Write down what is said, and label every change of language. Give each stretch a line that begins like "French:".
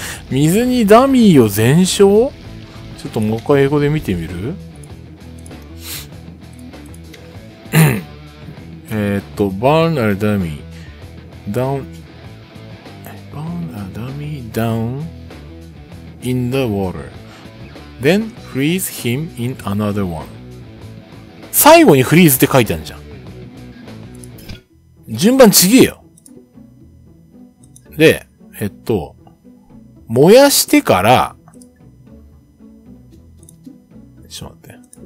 Japanese: 水にダミーを全焼？ちょっともう一回英語で見てみる？
English: burn a dummy down, burn a dummy down in the water. Then freeze him in another one.
Japanese: 最後にフリーズって書いてあるじゃん。順番ちげえよ。で、燃やしてから、ちょっと待って。